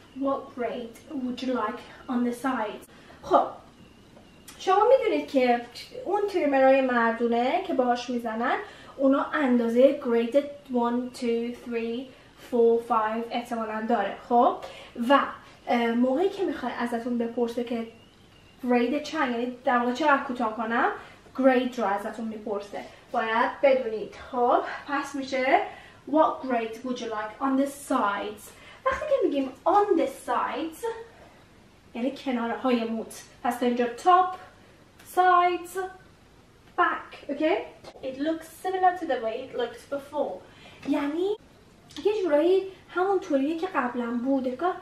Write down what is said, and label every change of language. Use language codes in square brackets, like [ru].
[en] What grade would you like on the sides? [fa] خب شما میدونید که اون تریمرهای مردونه که باهاش میزنن اونا اندازه گرید 1, 2, 3, 4, 5 احتمالاً داره. خب و موقعی که میخوای ازتون بپرسه که گرید چند یعنی در واقع چقدر کوتاه کنم, گرید رو ازتون میپرسه باید بدونید. خب پس میشه [en] what grade would you like on the sides. [fa] وقتی که میگیم [en] on the sides [fa] یعنی کناره های موت, پس اینجا top, sides, back. [en] okay, it looks similar to the way it looked before. [fa] یعنی یه جورایی همونطوریه که قبلا بود.